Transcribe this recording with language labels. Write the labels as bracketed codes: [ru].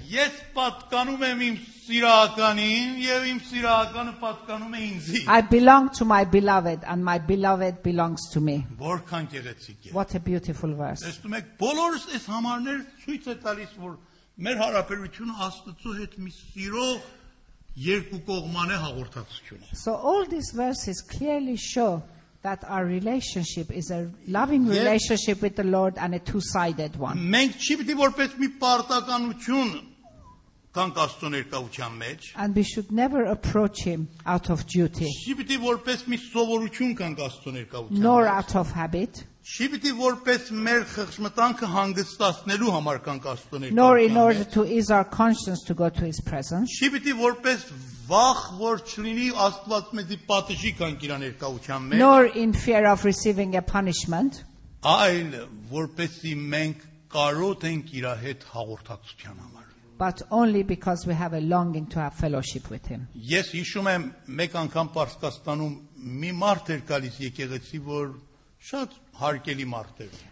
[hy] Ես պատկանում եմ իմ սիրականին եւ իմ սիրականը պատկանում է ինձ։ [en] I belong to my beloved and my beloved belongs to me. [hy] Որքան գեղեցիկ է։ [en] What a beautiful verse. [hy] Տեսնում եք, բոլորս այս համարներ ցույց է տալիս, որ մեր հարաբերությունը Աստծո հետ մի սիրող երկու կողման է հաղորդակցությունը։ [en] So all these verses clearly show that our relationship is a loving relationship with the Lord and a two-sided one. [hy] Մենք չի պիտի որպես մի պարտականություն կանք Աստծո ներկայության մեջ. [en] And we should never approach him out of duty. [hy] Չի պիտի որպես մի սովորություն կանք Աստծո ներկայության մեջ. [en] Nor out of habit. [hy] Չի պիտի որպես մեր խղճմտանքը հանգստացնելու համար կանք Աստծո ներկայության մեջ. [en] Nor in order to ease our conscience to go to his presence. [hy] Չի պիտի որպես վախ, որ չլինի Աստված մեզի պատժի կանք իր ներկայության մեջ. [en] Nor in fear of receiving a punishment. [hy] Այլ, որպեսզի մենք կարոտ ենք իր հետ հաղորդակցության համար. [en] But only because we have a longing to have fellowship with him. [hy] Ես հիշում եմ, մեկ անգամ Պարսկաստանում մի մարդ էր գալիս եկեղեցի, որ շատ հարգելի մարդ էր.